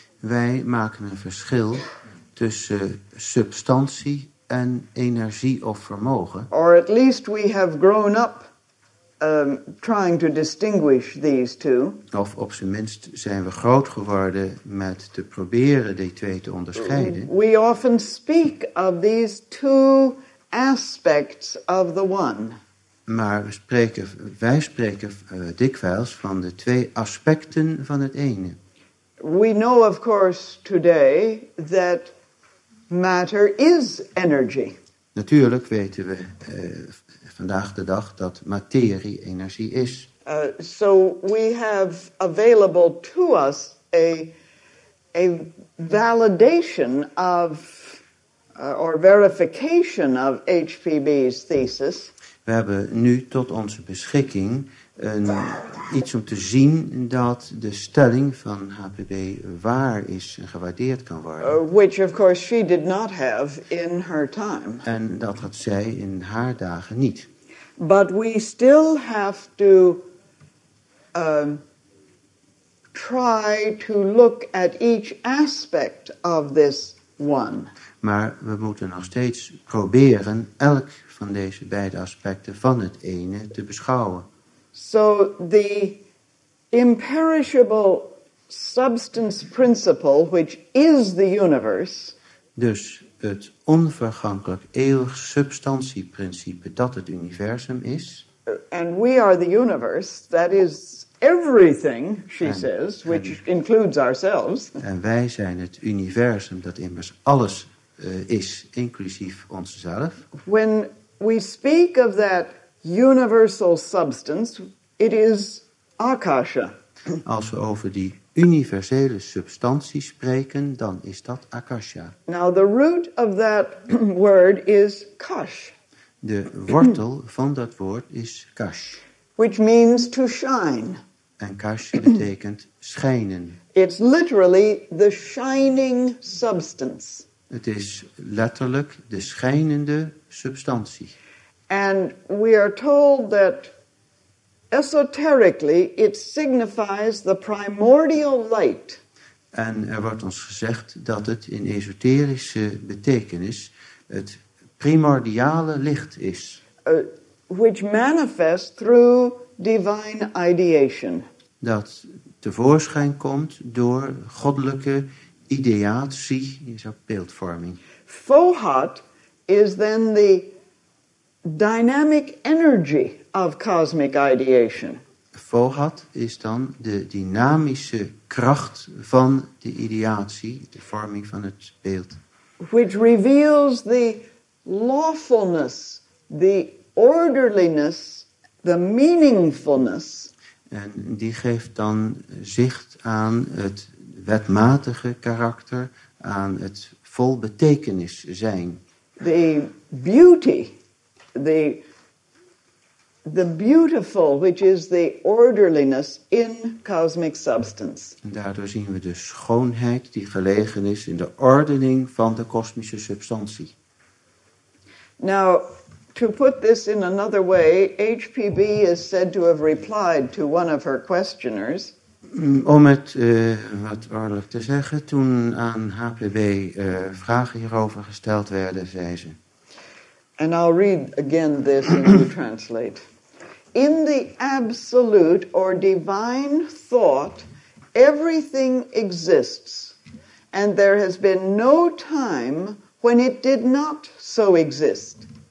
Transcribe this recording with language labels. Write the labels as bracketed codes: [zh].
[nl] Wij maken een verschil tussen substantie en energie of vermogen. [en] Or at least we have grown up trying to distinguish these two. [nl] Of op zijn minst zijn we groot geworden met te proberen die twee te onderscheiden. [en] We often speak of these two aspects of the one. [nl] Maar wij spreken dikwijls van de twee aspecten van het ene. [en] We know of course today that matter is energy. [nl] Natuurlijk weten we vandaag de dag dat materie energie is. [en] So we have available to us a validation of or verification of HPB's thesis. [nl] We hebben nu tot onze beschikking iets om te zien dat de stelling van HPB waar is en gewaardeerd kan worden. [en] Which of course she did not have in her time. [nl] En dat had zij in haar dagen niet. [en] But we still have to try to look at each aspect of this one. [nl] Maar we moeten nog steeds proberen elk van deze beide aspecten van het ene te beschouwen. [en] So the imperishable substance principle, which is the universe. [nl] Dus het onvergankelijk eeuwig substantieprincipe dat het universum is. [en] And we are the universe, that is everything, she says, which includes ourselves. [nl] En wij zijn het universum dat immers alles is, inclusief onszelf. [en] When we speak of that universal substance, it is Akasha. [nl] Als we over die universele substantie spreken, dan is dat Akasha. [en] Now the root of that word is Kash. [nl] De wortel van dat woord is Kash. [en] Which means to shine. [nl] En Kash betekent schijnen. [en] It's literally the shining substance. [nl] Het is letterlijk de schijnende substantie. [en] And we are told that esoterically it signifies the primordial light. [nl] En er wordt ons gezegd dat het in esoterische betekenis het primordiale licht is. [en] Which manifests through divine ideation. [nl] Dat tevoorschijn komt door goddelijke ideatie, is dat beeldvorming. [en] Fohat is then the dynamic energy of cosmic ideation. [nl] Fohat is dan de dynamische kracht van de ideatie, de vorming van het beeld. [en] Which reveals the lawfulness, the orderliness, the meaningfulness. [nl] En die geeft dan zicht aan het wetmatige karakter, aan het vol betekenis zijn. [en] The beauty, the beautiful, which is the orderliness in cosmic substance. [nl] En daardoor zien we de schoonheid die gelegen is in de ordening van de kosmische substantie. [en] Now, to put this in another way, HPB is said to have replied to one of her questioners. [nl] Om het wat ordelijk te zeggen, toen aan HPB vragen hierover gesteld werden, zei ze. [en] And I'll read again this and you translate. In the absolute or divine thought, everything exists. And there has been no time when it did not so exist.